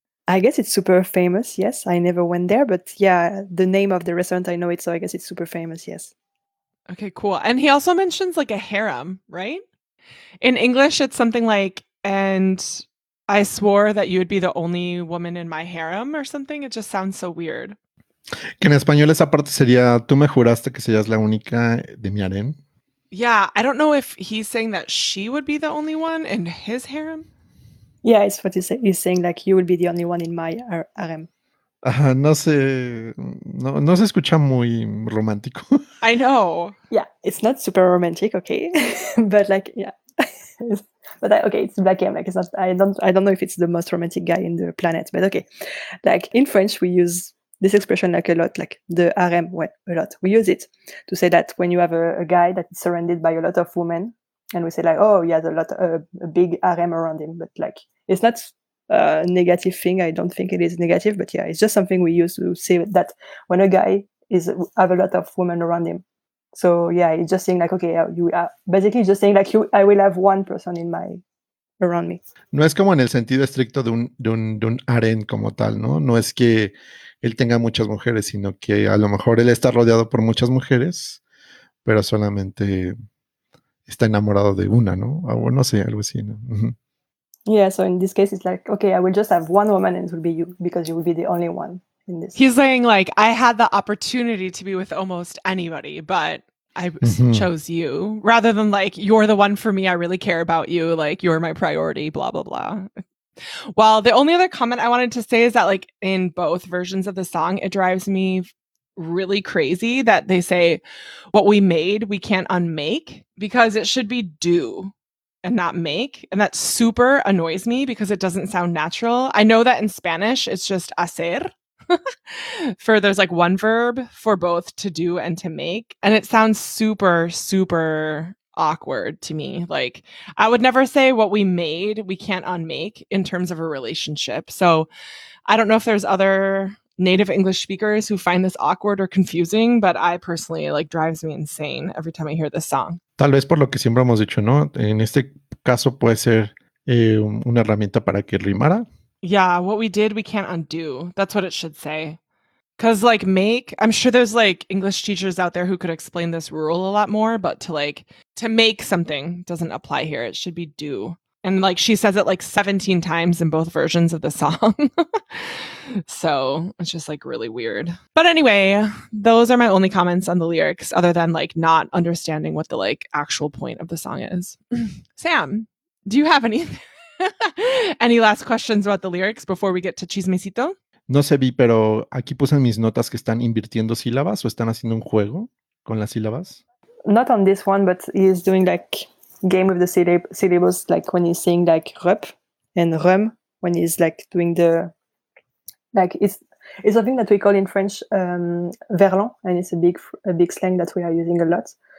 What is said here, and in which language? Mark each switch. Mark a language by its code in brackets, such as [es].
[en] I guess it's super famous, yes. I never went there, but yeah, the name of the restaurant, I know it, so I guess it's super famous, yes. Okay, cool. And he also mentions like a harem, right? In English, it's something like, and I swore that you would be the only woman in my harem or something. It just sounds so weird. [es] Que en español esa parte sería, tú me juraste que serías la única de mi harem. [en] Yeah, I don't know if he's saying that she would be the only one in his harem. Yeah, it's what he's saying, like, you will be the only one in my harem. [es] No se escucha muy romántico. [en] I know. Yeah, it's not super romantic, okay? But like, yeah. But okay, it's Black M. Like, I don't know if it's the most romantic guy in the planet, but okay. Like, in French, we use this expression like a lot, like the harem, well, a lot. We use it to say that when you have a guy that is surrounded by a lot of women, and we say like, oh, he has a big harem around him. But like, it's not a negative thing. I don't think it is negative. But yeah, it's just something we use to say that when a guy have a lot of women around him. So yeah, it's just saying like, okay, you are basically just saying like, I will have one person in my around me. [es] No es como en el sentido estricto de un harem como tal, ¿no? No es que él tenga muchas mujeres, sino que a lo mejor él está rodeado por muchas mujeres, pero solamente está enamorado de una, ¿no? O no sé, algo así, ¿no? [en] Yeah, so in this case, it's like, okay, I will just have one woman and it will be you because you will be the only one in this. He's saying like, I had the opportunity to be with almost anybody, but I chose you rather than like, you're the one for me, I really care about you, like, you're my priority, blah, blah, blah. Well, the only other comment I wanted to say is that like, in both versions of the song, it drives me really crazy that they say what we made we can't unmake, because it should be do and not make, and that super annoys me because it doesn't sound natural. I know that in Spanish it's just hacer for there's like one verb for both to do and to make, and it sounds super super awkward to me. Like, I would never say what we made we can't unmake in terms of a relationship. So I don't know if there's other native English speakers who find this awkward or confusing, but I personally, like, drives me insane every time I hear this song. [es] Tal vez por lo que siempre hemos dicho, ¿no? En este caso puede ser una herramienta para que rimara. [en] Yeah, what we did, we can't undo. That's what it should say. Because, like, make, I'm sure there's, like, English teachers out there who could explain this rule a lot more, but to, like, to make something doesn't apply here. It should be do. And, like, she says it, like, 17 times in both versions of the song. So, it's just, like, really weird. But anyway, those are my only comments on the lyrics, other than, like, not understanding what the, like, actual point of the song is. Sam, do you have any last questions about the lyrics before we get to Chismecito? [es] No sé, Vi, pero aquí puse en mis notas que están invirtiendo sílabas o están haciendo un juego con las sílabas. [en] Not on this one, but he is doing like game of the syllables, like when he's saying like rup and rum, when he's like doing the, like it's something that we call in French verlan, and it's a big slang that we are using a lot.